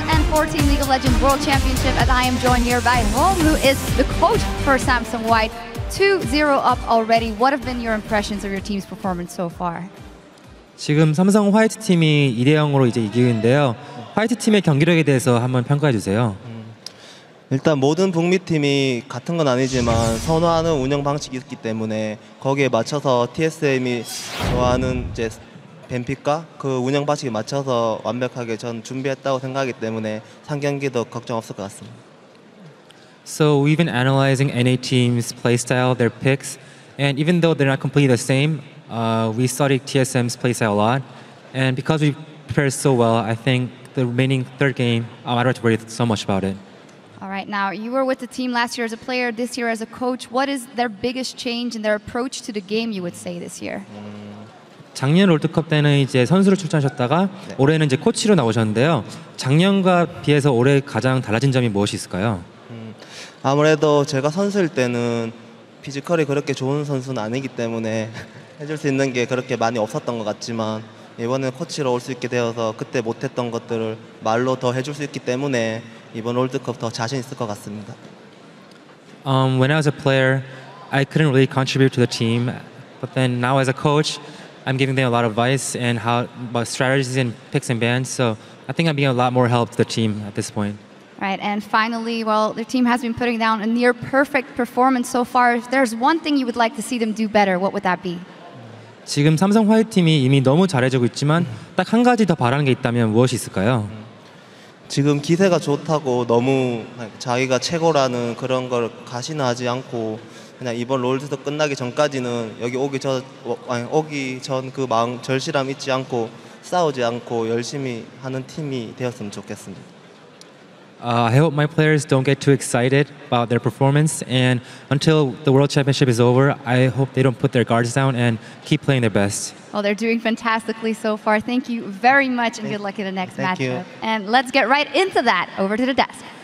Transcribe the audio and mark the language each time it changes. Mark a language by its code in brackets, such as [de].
[en] 14 League of Legends World Championship, and I am joined here by Holm, who is the coach for Samsung White. 2-0 up already. What have been your impressions of your team's performance so far? [ko] 지금 삼성 화이트 팀이 2대 0으로 이제 이기는데요. 화이트 팀의 경기력에 대해서 한번 평가해 주세요. 일단 모든 북미 팀이 같은 건 아니지만 선호하는 운영 방식이 있기 때문에 거기에 맞춰서 TSM이 좋아하는 이제 뱀픽과 그 운영 방식에 맞춰서 완벽하게 전 준비했다고 생각하기 때문에 상경기도 걱정 없을 것 같습니다. [en] So we've been analyzing NA team's playstyle, their picks, and even though they're not completely the same, we studied TSM's playstyle a lot. And because we prepared so well, I think the remaining third game, I don't have to worry so much about it. All right, now you were with the team last year as a player, this year as a coach. What is their biggest change in their approach to the game, you would say, this year? [ko] 작년 월드컵 때는 이제 선수로 출전하셨다가 네. 올해는 이제 코치로 나오셨는데요. 작년과 비해서 올해 가장 달라진 점이 무엇이 있을까요? 아무래도 제가 선수일 때는 피지컬이 그렇게 좋은 선수는 아니기 때문에 해줄 수 있는 게 그렇게 많이 없었던 것 같지만 이번에 코치로 올 수 있게 되어서 그때 못했던 것들을 말로 더 해줄 수 있기 때문에 이번 월드컵 더 자신 있을 것 같습니다. [en] When I was a player, I couldn't really contribute to the team. But then now as a coach, I'm giving them a lot of advice and about strategies and picks and bans. So I think I'm being a lot more help to the team at this point. Right, and finally, well, the team has been putting down a near perfect performance so far. If there's one thing you would like to see them do better, what would that be? [ko] 지금 삼성 화이트 팀이 이미 너무 잘해주고 있지만 딱 한 가지 더 바라는 게 있다면 무엇이 있을까요? 지금 기세가 좋다고 너무 자기가 최고라는 그런 걸 과신하지 않고 그냥 이번 롤드도 끝나기 전까지는 여기 오기 전 그 마음 절실함 잊지 않고 싸우지 않고 열심히 하는 팀이 되었으면 좋겠습니다. [en] I hope my players don't get too excited about their performance, and until the World Championship is over, I hope they don't put their guards down and keep playing their best. Well, they're doing fantastically so far. Thank you very much, and good luck in the next matchup. And let's get right into that. Over to the desk.